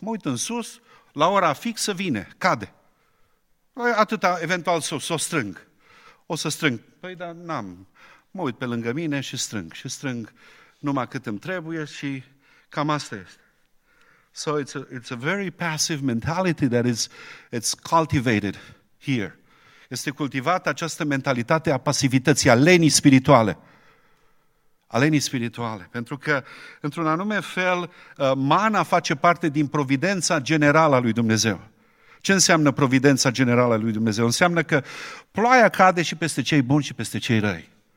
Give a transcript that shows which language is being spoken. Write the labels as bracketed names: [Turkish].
[Romanian] Mă uit în sus, la ora fixă vine, cade. Atâta, eventual, s-o strâng. O să strâng. Păi, dar n-am. Mă uit pe lângă mine și strâng. Și strâng numai cât îmi trebuie și cam asta este. [English] So it's a very passive mentality that it's cultivated here. [Romanian] Este cultivată această mentalitate a pasivității, a lenii spirituale. Alenii spirituale, pentru că, într-un anume fel, mana face parte din providența generală a lui Dumnezeu. Ce înseamnă providența generală a lui Dumnezeu? Înseamnă că ploaia cade și peste cei buni și peste cei răi.